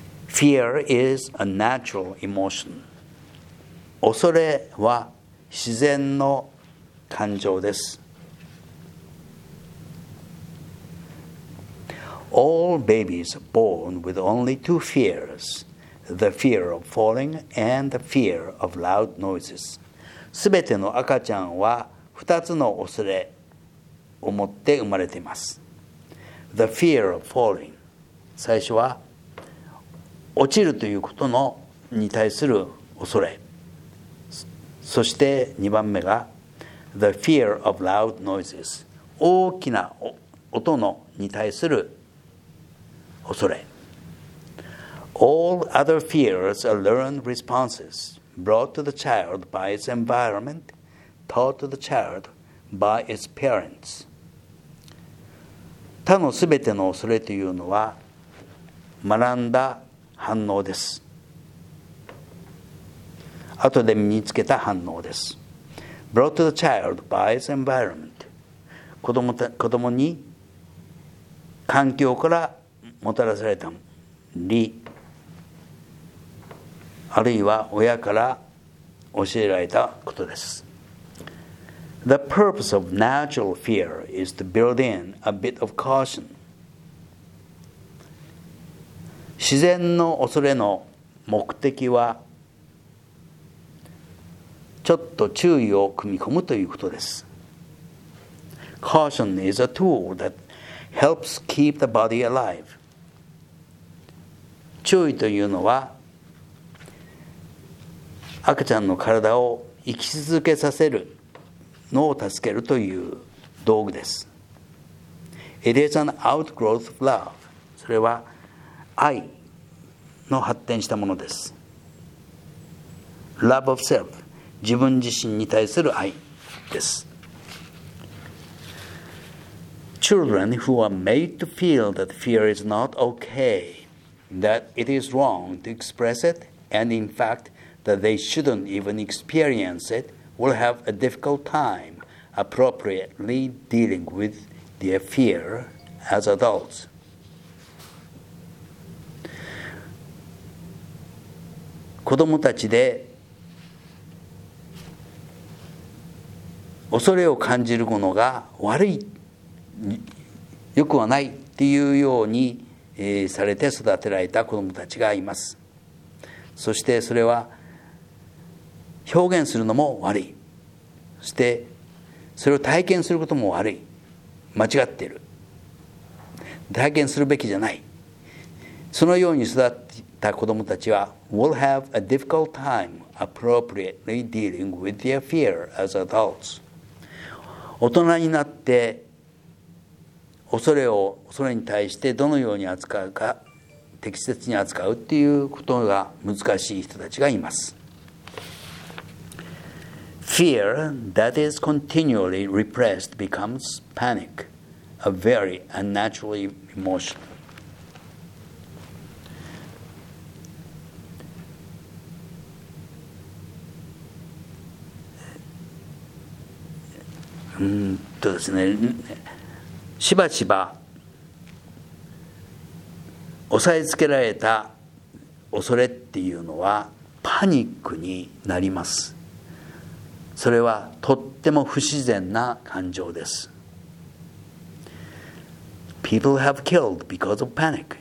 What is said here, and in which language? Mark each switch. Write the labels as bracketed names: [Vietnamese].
[English] Fear is a natural emotion. [Japanese] 恐れは自然の感情です。 [English] All babies are born with only two fears, the fear of falling and the fear of loud noises. [Japanese] すべての赤ちゃんは二つの恐れを持って生まれています。 [English] The fear of falling. [Japanese] 最初は落ちるということのに対する恐れ。そして2番目が [English] The fear of loud noises [Japanese] 大きな音のに対する恐れ [English] All other fears are learned responses brought to the child by its environment taught to the child by its parents [Japanese] 他のすべての恐れというのは学んだ反応です後で身につけた反応です。 [English] Brought to the child by its environment. [Japanese] 子供に環境からもたらされたり、あるいは親から教えられたことです。 [English] The purpose of natural fear is to build in a bit of caution. [Japanese] 自然の恐れの目的はちょっと注意を組み込むということです。 [English] Caution is a tool that helps keep the body alive. [Japanese] 注意というのは、赤ちゃんの体を生き続けさせるのを助けるという道具です。 [English] It is an outgrowth of love. [Japanese] それは愛の発展したものです。 [English] Love of self. [Japanese] 自分自身に対する愛です。 [English] Children who are made to feel that fear is not okay, that it is wrong to express it, and in fact that they shouldn't even experience it, will have a difficult time appropriately dealing with their fear as adults. [Japanese] 子供たちで恐れを感じるものが悪い、よくはないっていうようにされて育てられた子どもたちがいます。そしてそれは表現するのも悪い。そしてそれを体験することも悪い。間違っている。体験するべきじゃない。そのように育った子どもたちは [English] will have a difficult time appropriately dealing with their fear as adults. [Japanese] 大人になって恐れに対してどのように扱うか適切に扱うっていうことが難しい人たちがいます。 [English] Fear that is continually repressed becomes panic, a very unnatural emotion. [Japanese] しばしば抑えつけられた恐れっていうのはパニックになります。それはとっても不自然な感情です。 [English] People have killed because of panic.